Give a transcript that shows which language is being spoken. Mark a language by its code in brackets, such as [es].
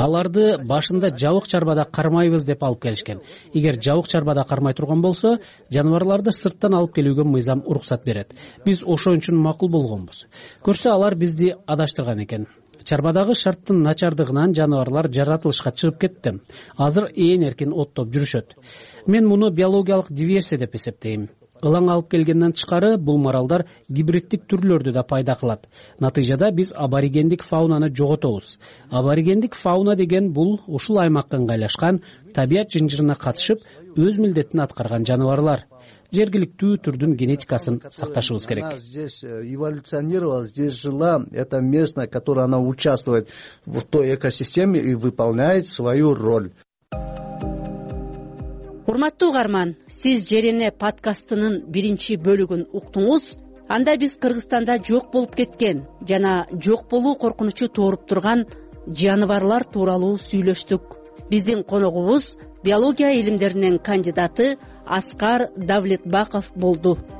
[ky] Аларды башында жабык чарбада кармайбыз деп алып келишкен. Эгер жабык чарбада кармай турган болсо, жаныбарларды сырттан алып келүүгө мыйзам уруксат берет. Биз ошон үчүн макул болгонбуз. Көрсө алар бизди адаштырган экен. Чарбадагы шарттын начардыгынан жаныбарлар жаратылышка чыгып кетти. Азыр ээн эркин оттоп жүрүшөт. Мен муну биологиялык диверсия деп эсептейм. Ылан алып келгенден тышкары бул маралдар гибридтик түрлөрдү да пайда кылат. Натыйжада биз аборигендик фаунаны жоготобуз. Аборигендик фауна деген бул ушул аймакка ыңгайлашкан, табият жынжырына катышып, өз милдетин аткарган жаныбарлар. Жергиликтүү түрдүн генетикасын сакташыбыз керек. [ru] Она здесь эволюционировала, здесь жила, это место, которое она участвует в той экосистеме и выполняет свою роль. [ky] Урматтуу карман, сиз Жерене подкастынын биринчи бөлүгүн уктуңуз. Анда биз Кыргызстанда жок болуп кеткен жана жок болуу коркунучу тооруп турган жаныбарлар тууралуу сүйлөштүк. Биздин коногубуз биология илимдеринин кандидаты Аскар Давлетбаков болду.